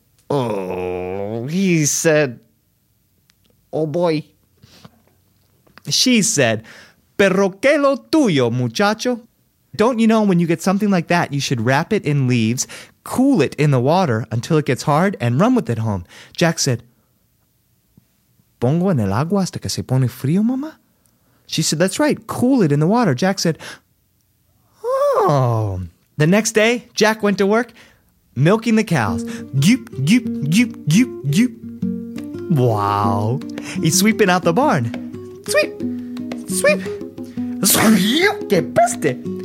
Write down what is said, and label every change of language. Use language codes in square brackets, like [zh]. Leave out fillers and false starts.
[en] Oh. He said, oh boy. She said, [es] pero que lo tuyo, muchacho? [en] Don't you know when you get something like that, you should wrap it in leaves, cool it in the water until it gets hard, and run with it home? Jack said, [es] pongo en el agua hasta que se pone frío, mamá? [en] She said, that's right, cool it in the water. Jack said, oh. The next day, Jack went to work milking the cows. Goop, goop, goop, goop, goop. Wow. He's sweeping out the barn. Sweep. Sweep. Sweep. [es] Que peste.